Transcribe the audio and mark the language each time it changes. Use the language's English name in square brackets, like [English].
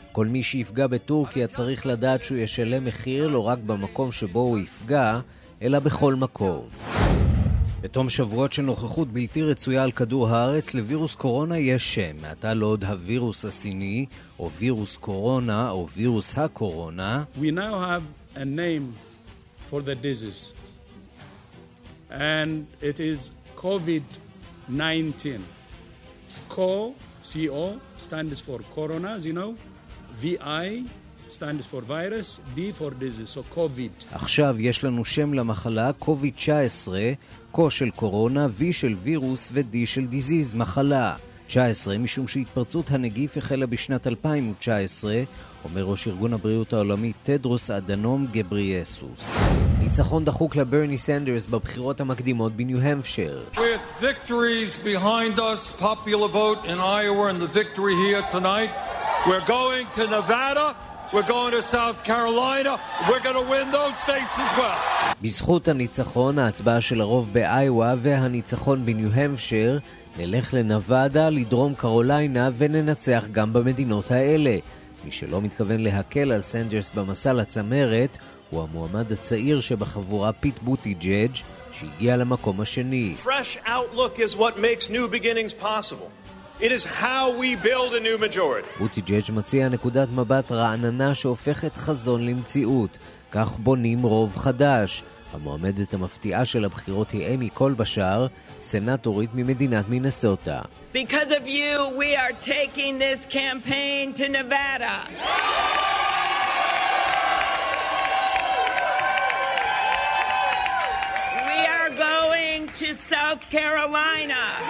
[Hebrew] כל מי שיפגע בטורקיה צריך לדעת שהוא ישלם מחיר לא רק במקום שבו הוא יפגע, אלא בכל מקום. בתום שבועות של נוכחות בלתי רצויה על כדור הארץ, לווירוס קורונה יש שם. מעתה לא עוד הווירוס הסיני, או וירוס קורונה, או וירוס הקורונה. [English] We now have a name for the disease. And it is COVID-19. CO stands for corona, as you know. VI stands for virus, D for disease, so COVID. [Hebrew] עכשיו יש לנו שם למחלה, COVID-19, קו של קורונה, V של וירוס ו-D של דיזיז, מחלה. 19, משום שהתפרצות הנגיף החלה בשנת 2019, אומר ראש ארגון הבריאות העולמי טדרוס אדנום גבריאסוס. ניצחון דחוק לברני סנדרס בבחירות המקדימות בניו-המפשר. [English] With victories behind us, popular vote in Iowa and the victory here tonight, we're going to Nevada, we're going to South Carolina, we're going to win those states as well. [Hebrew] בזכות הניצחון, ההצבעה של הרוב באיווה והניצחון בניו-המפשר, נלך לנבדה, לדרום קרוליינה וננצח גם במדינות האלה. מי שלא מתכוון להקל על סנדרס במסע לצמרת, הוא המועמד הצעיר שבחבורה פיט בוטיג'אג' שהגיע למקום השני. [English] Fresh outlook is what makes new beginnings possible. It is how we build a new majority. [Hebrew] בוטיג'אג' מציע נקודת מבט רעננה שהופכת חזון למציאות. כך בונים רוב חדש. המועמדת המפתיעה של הבחירות היא אמי קולבשאר, סנטורית ממדינת מינסוטה. [English] Because of you, we are taking this campaign to Nevada. We are going to South Carolina.